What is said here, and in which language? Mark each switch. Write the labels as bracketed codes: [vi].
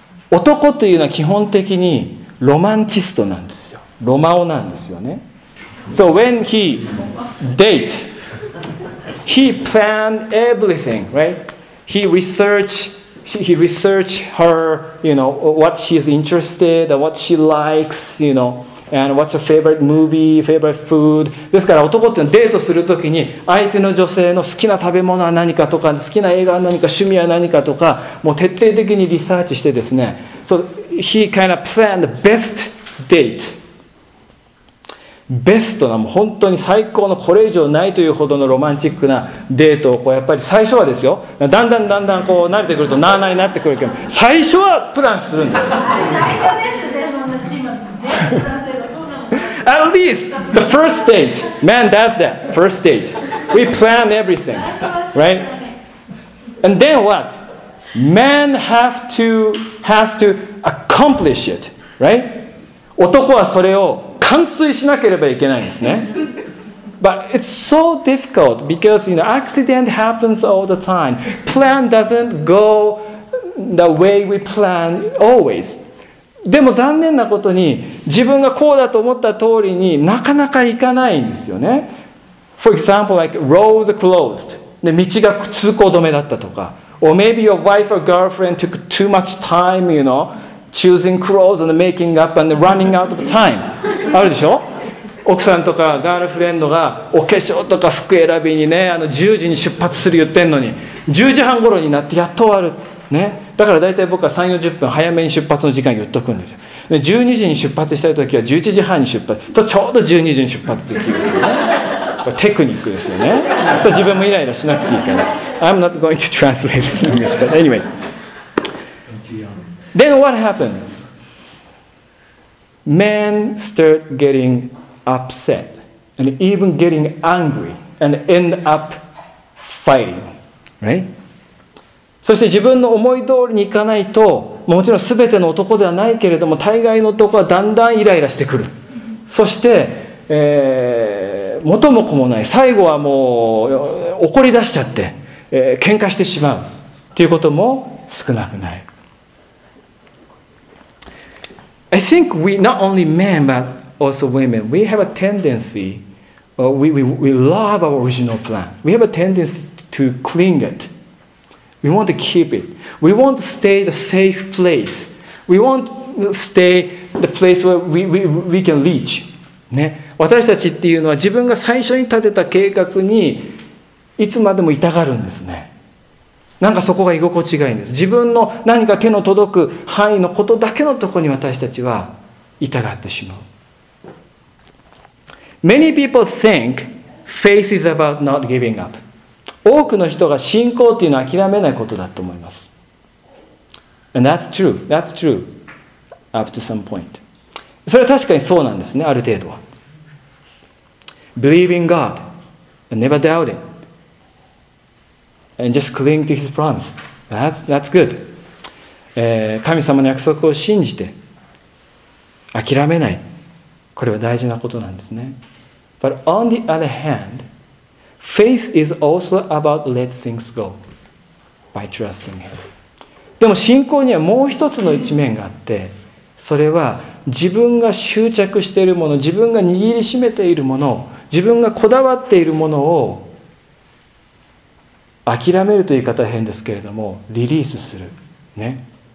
[ja] 男というのは基本的にロマンチストなんですよ。ロマオなんですよね。 [en] So when he date, he plan everything, right? He research her, you know, what she's interested, what she likes, you know, and what's her favorite movie, favorite food. [ja] ですから男ってのはデートするときに、相手の女性の好きな食べ物は何かとか、好きな映画は何か、趣味は何かとか、もう徹底的にリサーチしてですね。 [en] So he kind of planned the best date. [ja] ベストな、もう本当に最高の、これ以上ないというほどのロマンチックなデートを、こうやっぱり最初はですよ。だんだんこう慣れてくるとなあなあになってくるけど、最初はプランするんです。最初ですね、もう今、全部。 [en] At least the first date, man does that. First date, we plan everything, right? And then what? Man has to accomplish it, right? [ja] 男はそれを完遂しなければいけないんですね。 [en] But it's so difficult because, you know, accident happens all the time. Plan doesn't go the way we plan always. [ja] でも残念なことに、自分がこうだと思った通りになかなか行かないんですよね。 [en] For example, like roads closed. [ja] で、道が通行止めだったとか。 [en] Or maybe your wife or girlfriend took too much time, you know, choosing clothes and making up and running out of time. [ja] あるでしょ？奥さんとかガールフレンドがお化粧とか服選びにね、あの10時に出発する言ってんのに、10時半頃になってやっと終わる。ね。だから大体僕は3、40分早めに出発の時間言っとくんですよ。で、12時に出発したいときは11時半に出発。そう、ちょうど12時に出発できる。テクニックですよね。そう、自分もイライラしなくていいから。 [en] I'm not going to translate it in English, but anyway. Then what happened? Men start getting upset and even getting angry and end up fighting, right? [ja] そして自分の思い通りにいかないと、もちろん全ての男ではないけれども、大概の男はだんだんイライラしてくる。そして、元も子もない。最後はもう怒り出しちゃって、喧嘩してしまうということも少なくない。 [en] I think we, not only men, but also women, we have a tendency, we love our original plan. We have a tendency to cling it. We want to keep it. We want to stay the safe place. We want to stay the place where we can reach.、 [ja] ね、私たちっていうのは自分が最初に立てた計画にいつまでもいたがるんですね。なんかそこが居心地がいいんです。自分の何か手の届く範囲のことだけのところに私たちはいたがってしまう。 [en] Many people think faith is about not giving up. [ja] 多くの人が信仰というのは諦めないことだと思います。 [en] And that's true. That's true. Up to some point. [ja] それは確かにそうなんですね、ある程度は。 [en] Believing God and never doubting. and just cling to His promise. That's good. [ja] 神様の約束を信じて諦めない。これは大事なことなんですね。 [en] But on the other hand, faith is also about let things go by trusting Him. [ja] でも信仰にはもう一つの一面があって、それは自分が執着しているもの、自分が握りしめているもの、自分がこだわっているものを諦めるという言い方は変ですけれども、リリースする。ね。